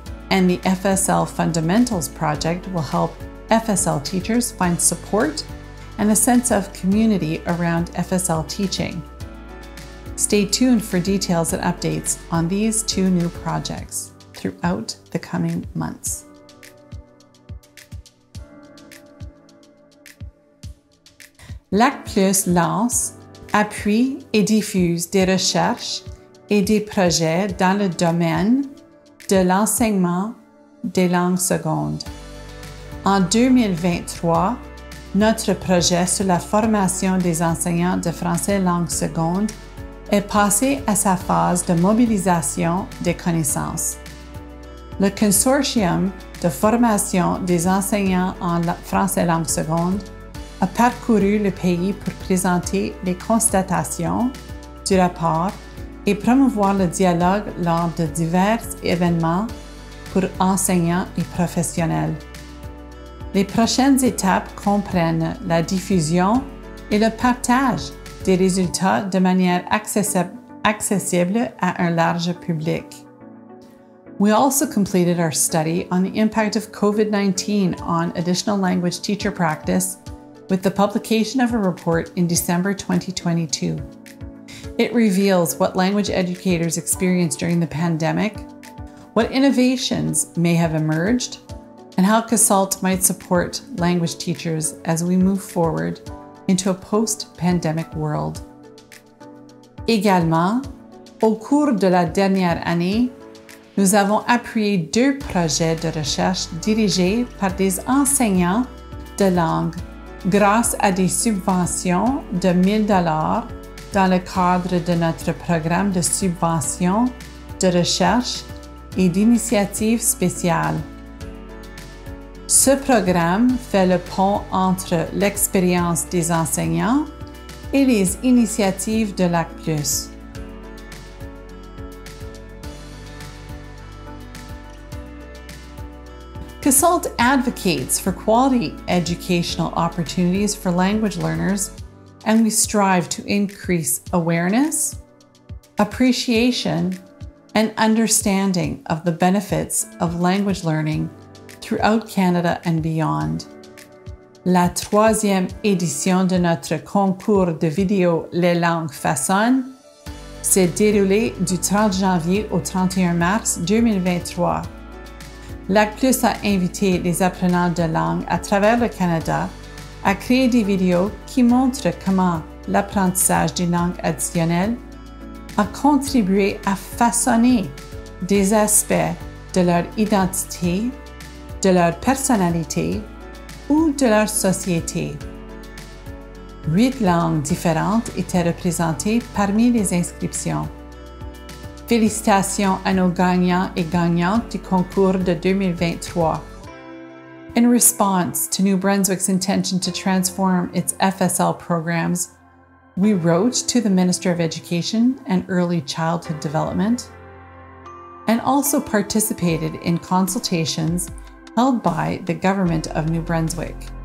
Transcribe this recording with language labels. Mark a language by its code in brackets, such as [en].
[en] And the FSL Fundamentals project will help FSL teachers find support and a sense of community around FSL teaching. Stay tuned for details and updates on these two new projects throughout the coming months. [fr] LAC Plus lance, appuie et diffuse des recherches et des projets dans le domaine de l'enseignement des langues secondes. En 2023, notre projet sur la formation des enseignants de français langue seconde est passé à sa phase de mobilisation des connaissances. Le Consortium de formation des enseignants en français langue seconde a parcouru le pays pour présenter les constatations du rapport et promouvoir le dialogue lors de divers événements pour enseignants et professionnels. Les prochaines étapes comprennent la diffusion et le partage des résultats de manière accessible à un large public. [en] We also completed our study on the impact of COVID-19 on additional language teacher practice with the publication of a report in December 2022. It reveals what language educators experienced during the pandemic, what innovations may have emerged, and how Gesalt might support language teachers as we move forward into a post-pandemic world. [fr] Également, au cours de la dernière année, nous avons appuyé deux projets de recherche dirigés par des enseignants de langue grâce à des subventions de 1 000 dans le cadre de notre programme de subvention de recherche et d'initiatives spéciales. Ce programme fait le pont entre l'expérience des enseignants et les initiatives de LAC+. [en] Consult advocates for quality educational opportunities for language learners, and we strive to increase awareness, appreciation, and understanding of the benefits of language learning throughout Canada and beyond. [fr] La troisième édition de notre concours de vidéo Les langues façonnent s'est déroulée du 30 janvier au 31 mars 2023. LACPLUS a invité les apprenants de langue à travers le Canada à créer des vidéos qui montrent comment l'apprentissage d'une langue additionnelle a contribué à façonner des aspects de leur identité, de leur personnalité ou de leur société. 8 langues différentes étaient représentées parmi les inscriptions. Félicitations à nos gagnants et gagnantes du concours de 2023. [en] In response to New Brunswick's intention to transform its FSL programs, we wrote to the Minister of Education and Early Childhood Development and also participated in consultations held by the Government of New Brunswick.